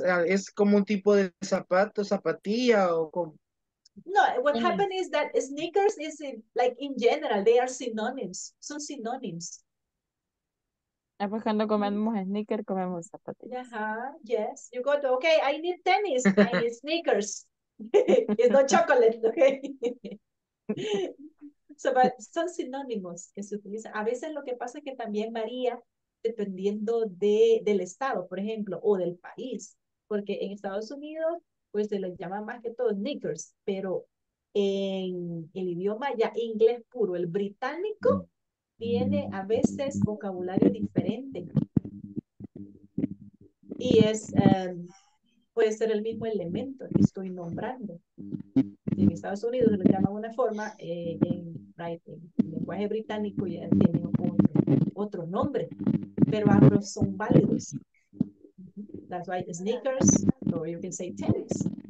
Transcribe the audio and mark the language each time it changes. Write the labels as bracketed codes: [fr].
[es] ¿Es como un tipo de zapato, zapatilla o como? [en] No, what happened is that sneakers is in, like in general, they are synonyms. [es] Son synonyms. Ah, pues cuando comemos sneaker, comemos zapatillas. Ajá, yes. [en] You go to, okay, I need tennis. I need sneakers. It's not chocolate, okay? So, but [es] son synonymous que se utilizan. A veces lo que pasa es que también varía dependiendo del estado, por ejemplo, o del país. Porque en Estados Unidos, pues se les llama más que todo sneakers. Pero en el idioma ya inglés puro, el británico, tiene a veces vocabulario diferente. Y es, puede ser el mismo elemento que estoy nombrando. En Estados Unidos se le llama de una forma, en lenguaje británico ya tiene otro nombre, pero ambos son válidos. [en] That's why sneakers, or you can say tennis.